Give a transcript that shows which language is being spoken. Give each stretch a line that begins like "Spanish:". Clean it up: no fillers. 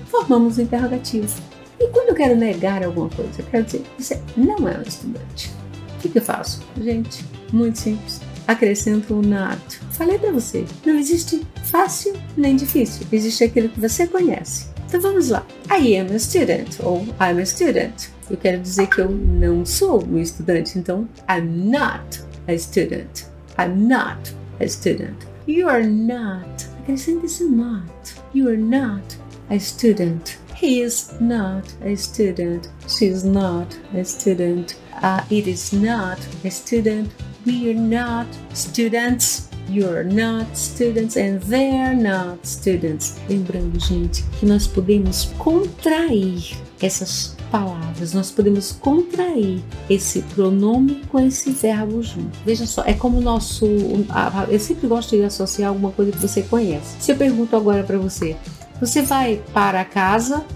Portuguese: Formamos o interrogativo. E quando eu quero negar alguma coisa, eu quero dizer, você não é um estudante. O que eu faço? Gente, muito simples. Acrescento o not. Falei para você, não existe fácil nem difícil. Existe aquilo que você conhece. Então vamos lá.
English: I am a student ou I'm a student.
Portuguese: Eu quero dizer que eu não sou um estudante. Então,
English: I'm not a student. I'm not a student. You are not.
Portuguese: Acrescento esse not.
English: You are not a student. He is not a student. She is not a student. It is not a student. We are not students, you're not students, and they're not students.
Portuguese: Lembrando, gente, que nós podemos contrair essas palavras, nós podemos contrair esse pronome com esse verbo junto. Veja só, é como o nosso... Eu sempre gosto de associar alguma coisa que você conhece. Se eu pergunto agora para você, você vai para casa?